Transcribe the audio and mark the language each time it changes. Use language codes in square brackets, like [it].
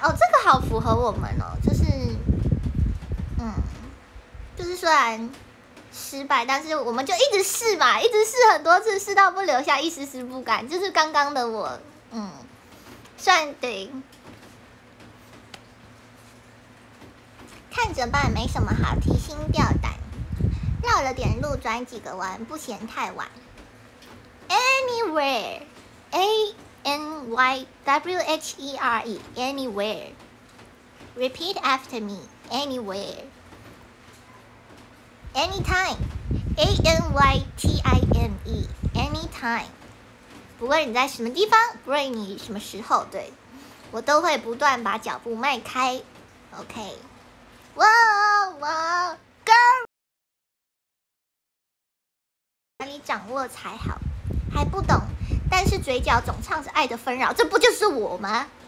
[zh] 哦，这个好符合我们哦，就是就是虽然失败，但是我们就一直试嘛，一直试很多次，试到不留下一丝丝不挂，就是刚刚的我。虽然对看着办，没什么好提心吊胆，绕了点路，转几个弯，不嫌太晚。 [en] Anywhere, A N Y W H E R E, anywhere. Repeat after me, anywhere. Anytime, A N Y T I M E, anytime. [zh] 不论你在什么地方，不论你什么时候，对我都会不断把脚步迈开。 [en] OK. [zh] 哇哇 girl，哪里掌握才好？还不懂，但是嘴角总唱着爱的纷扰，这不就是我吗？